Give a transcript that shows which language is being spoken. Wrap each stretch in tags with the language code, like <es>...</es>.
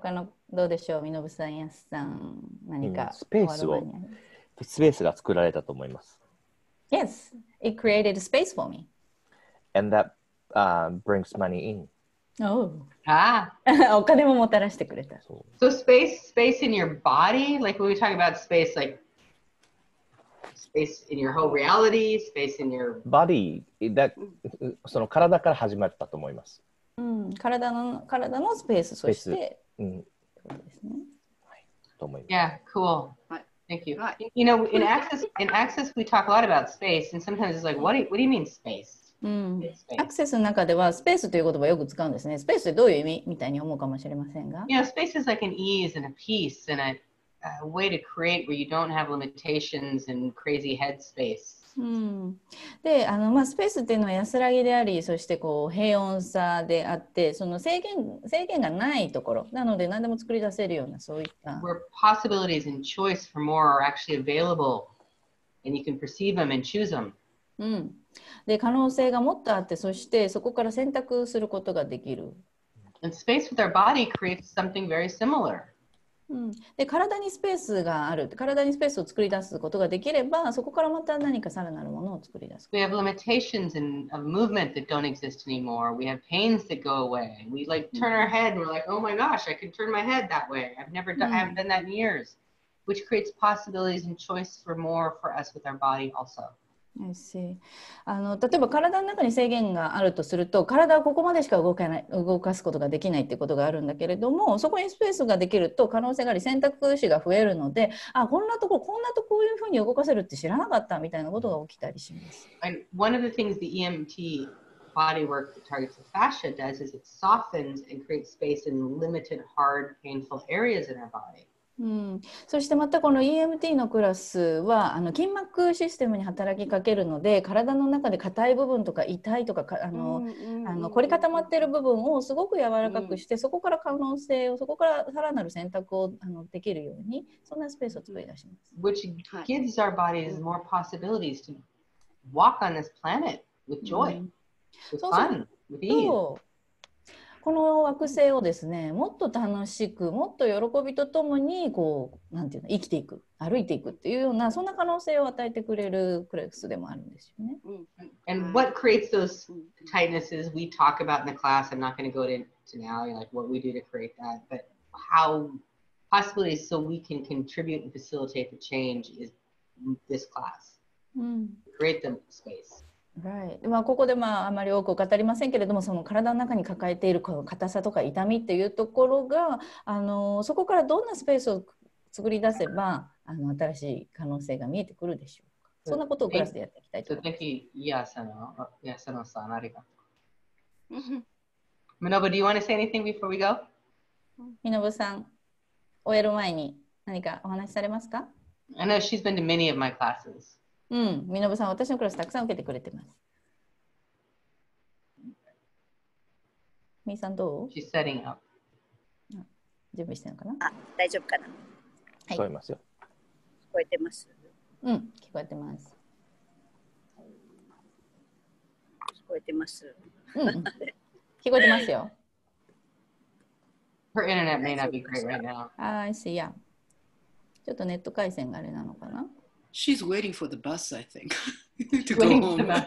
<ja>他のどうでしょう、Minobu さん、Yasさん、何か。スペースを、スペースが作られたと思います。</ja> <en>Yes, it created a space for me. And that, brings money in. Oh. Ah.</en> <ja>お金ももたらしてくれた。</ja> <en>So space in your body? Like when we talk about space, like... Space in your whole reality, space in your body. That,</en> <ja>その体から始まったと思います。体のスペース、そして、と思います。</ja> <en>Yeah, cool. Thank you. You know, in access, we talk a lot about space, and sometimes it's like, what do you mean space?</en> <ja>アクセスの中ではスペースという言葉をよく使うんですね。スペースってどういう意味みたいに思うかもしれませんが。</ja> <en>Yeah, space is like an ease and a peace and a way to create where you don't have limitations and crazy headspace.</en> <ja>で、スペースっていうのは安らぎであり、そしてこう平穏さであって、その制限がないところなので何でも作り出せるようなそういった。</ja> <en>Where possibilities and choice for more are actually available, and you can perceive them and choose them.</en> <ja>で、可能性がもっとあって、そしてそこから選択することができる。</ja> <en>And space with our body creates something very similar.</en> <ja>で体にスペースがある、体にスペースを作り出すことができれば、そこからまた何かさらなるものを作り出す。</ja> <en>We have limitations of movement that don't exist anymore. We have pains that go away. We like turn our head and we're like, oh my gosh, I can turn my head that way. I haven't done that in years. Which creates possibilities and choice for more for us with our body also. I see.</en> <ja>例えば体の中に制限があるとすると、体はここまでしか動かすことができないってことがあるんだけれども、そこにスペースができると可能性があり、選択肢が増えるので、あ、こんなとこういうふうに動かせるって知らなかったみたいなことが起きたりします。</ja> <en>And one of the things the EMT bodywork that targets the fascia does is it softens and creates space in limited, hard, painful areas in our body.</en> <ja>うん。そしてまたこの EMT のクラスはあの筋膜システムに働きかけるので、体の中で硬い部分とか痛いとか、あの凝り固まっている部分をすごく柔らかくして、そこから可能性を、そこからさらなる選択をあのできるように、そんなスペースを作り出します。</ja> <en>Which gives our bodies more possibilities to walk on this planet with joy、with fun, with ease。</en> <ja>この惑星をですね、もっと楽しく、もっと喜びとともに、こう、なんていうの、生きていく、歩いていくっていうような、そんな可能性を与えてくれるクレックスでもあるんですよね。</ja> <en>And what creates those tightnesses we talk about in the class, I'm not going to go into now, like what we do to create that, but how possibilities so we can contribute and facilitate the change is this class. Create the space. Right.</en> <ja>まあ、ここでまああまり多く語りませんけれども、その体の中に抱えているこの硬さとか痛みっていうところが、そこからどんなスペースを作り出せば、あの新しい可能性が見えてくるでしょうか。そんなことをクラスでやっていきたいと思います。いや、その、さん、ありがとう。</ja> <en>みのぶ、do you want to say anything before we go?</en> <ja>みのぶさん、終える前に何かお話しされますか？</ja> <en>I know she's been to many of my classes.</en> <ja>うん、みのぶさん、私のクラスたくさん受けてくれてます。みーさん、どう？</ja> <en>She's setting up.</en> <ja>準備してるのかな？あ、大丈夫かな？はい、聞こえますよ。聞こえてます。うん、聞こえてます。聞こえてます。うん、聞こえてますよ。</ja> <en>Her internet may not be great right now. I see, yeah.</en> <ja>ちょっとネット回線があれなのかな？</ja> <en>She's waiting for the bus, I think, to go home.</en>